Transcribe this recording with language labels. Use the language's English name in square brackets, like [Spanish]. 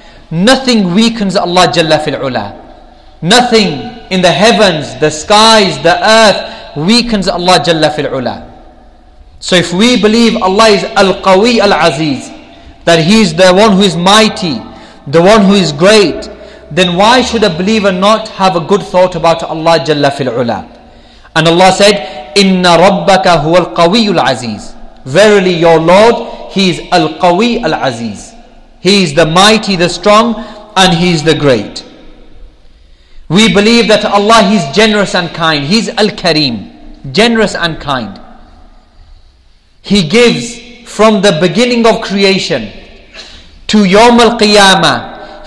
[English] Nothing weakens Allah Jalla fil'ula. Nothing in the heavens, the skies, the earth weakens Allah Jalla fil'ula. So if we believe Allah is Al-Qawi Al-Aziz, that He is the one who is mighty, the one who is great, then why should a believer not have a good thought about Allah Jalla fil'ula? And Allah said, [Arabic] إِنَّ رَبَّكَ هُوَ الْقَوِيُّ الْعَزِيزِ. [English] Verily your Lord, He is Al-Qawi Al-Aziz. He is the mighty, the strong, and He is the great. We believe that Allah, He is generous and kind. He is Al-Kareem, generous and kind. He gives from the beginning of creation to Yawm Al-Qiyamah.